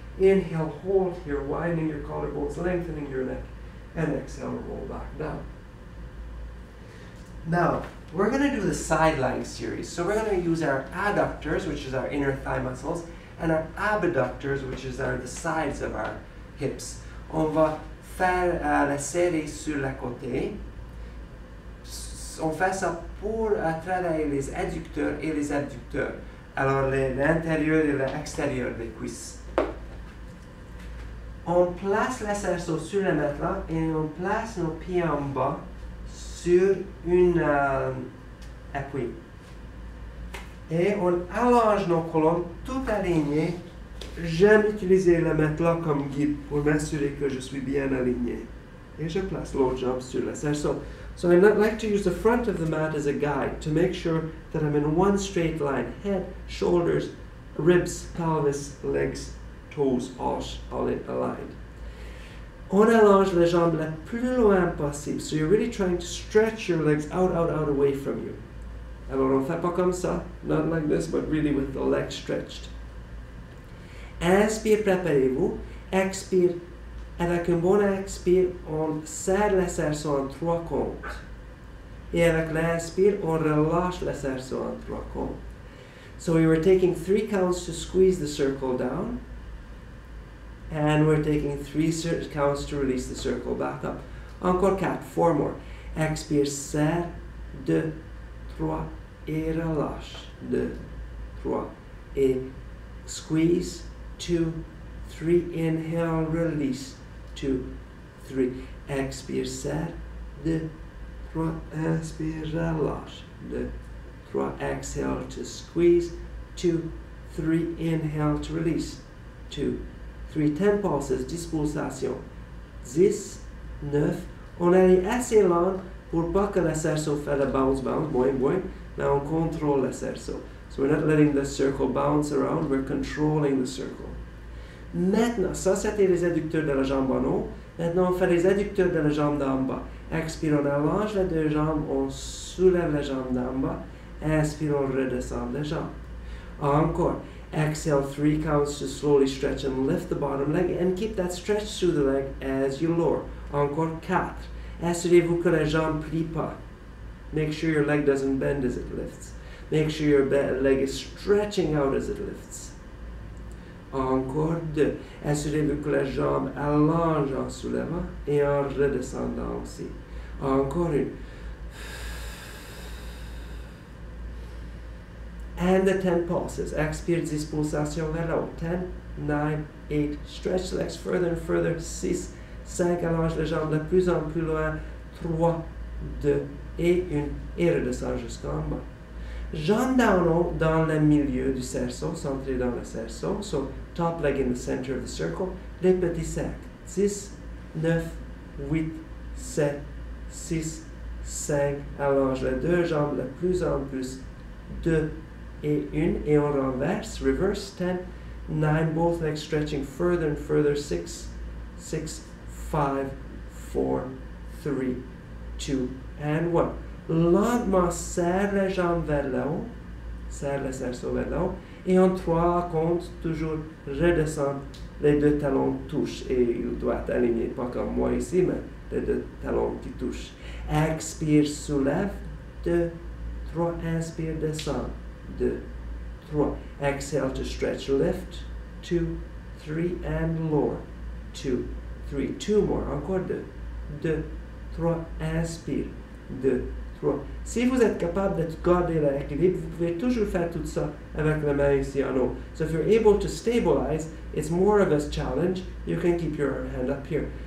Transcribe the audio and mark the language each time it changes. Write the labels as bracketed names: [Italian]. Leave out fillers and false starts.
[English] Inhale, hold here, widening your collarbones, lengthening your neck, and exhale, roll back down. Now, we're going to do the side lying series. So we're going to use our adductors, which is our inner thigh muscles, and our abductors, which is our the sides of our hips. [French] On va faire la série sur le côté. On fait ça pour travailler les adducteurs et les abducteurs. Alors, l'intérieur et l'extérieur des cuisses. On place le cerceau sur le matelas et on place nos pieds en bas sur un appui. Et on allonge nos colonnes tout alignées. J'aime utiliser le matelas comme guide pour m'assurer que je suis bien aligné. Et je place l'autre jambe sur le cerceau. [English] So I like to use the front of the mat as a guide to make sure that I'm in one straight line. Head, shoulders, ribs, pelvis, legs, toes, os, all aligned. [French] On allonge les jambes le plus loin possible. [English] So you're really trying to stretch your legs out away from you. [French] Alors on fait pas comme ça, [English] not like this, [French] but really with the legs stretched. Inspire, préparez-vous. Expire. Avec un bon expire, on serre le cerceau en trois comptes. Et avec l'inspire, on relâche le cerceau en trois comptes. [English] So we were taking three counts to squeeze the circle down. And we're taking three counts to release the circle back up. [French] Encore quatre, [English] four more. [French] Expire, serre, deux, trois, et relâche. Deux, trois, et [English] squeeze, two, three, inhale, release. Two, three. [French] Expire, serre, deux, trois, inspire, relâche. Deux, trois, [English] exhale to squeeze. Two, three, inhale to release. Two, three. 10 pulses, 10 pulsations. 10, 9. [French] On allait assez lent pour pas que le cerceau fasse le bounce, moins. Mais on contrôle le cerceau. [English] So we're not letting the circle bounce around, we're controlling the circle. [French] Maintenant, ça c'était les adducteurs de la jambe en haut. Maintenant, on fait les adducteurs de la jambe d'en bas. Expire, on allonge les deux jambes, on soulève la jambe d'en bas. Inspire, on redescend les jambes. Encore. [English] Exhale, three counts to slowly stretch and lift the bottom leg and keep that stretch through the leg as you lower. [French] Encore quatre. Assurez-vous que la jambe ne plie pas. [English] Make sure your leg doesn't bend as it lifts. Make sure your leg is stretching out as it lifts. [French] Encore deux. Assurez-vous que la jambe allonge en soulevant et en redescendant aussi. Encore une. [English] And the 10 pulses. [French] Expire, 10 pulsations vers le haut. 10, 9, 8. [English] Stretch the legs further and further. 6, 5. [French] Allonge les jambes de plus en plus loin. 3, 2, et 1. Et redescend jusqu'en bas. Jambes d'en haut dans le milieu du cerceau, centré dans le cerceau. [English] So, top leg in the center of the circle. [French] Les petits sacs. 10, 9, 8, 7, 6, 5. Allonge les deux jambes de plus en plus. 2, et une, et on renverse, [English] reverse, 10, 9, both legs stretching further and further, 6, 6, 5, 4, 3, 2, and 1. [French] Lentement, serre les jambes vers le haut, serre le cerceau vers le haut, et en 3 comptes, toujours redescend, les deux talons touchent, et il doit être aligné, pas comme moi ici, mais les deux talons qui touchent. Expire, soulève, 2, 3, inspire, descend. [English] 2, 3, exhale to stretch, lift, 2, 3, and lower, 2, 3, 2 more, [French] encore 2, 2, 3, inspire, 2, Bon. Si vous êtes capable de garder l'équilibre, vous pouvez toujours faire tout ça avec la main ici en haut. [English] So if you're able to stabilize, it's more of a challenge, you can keep your hand up here.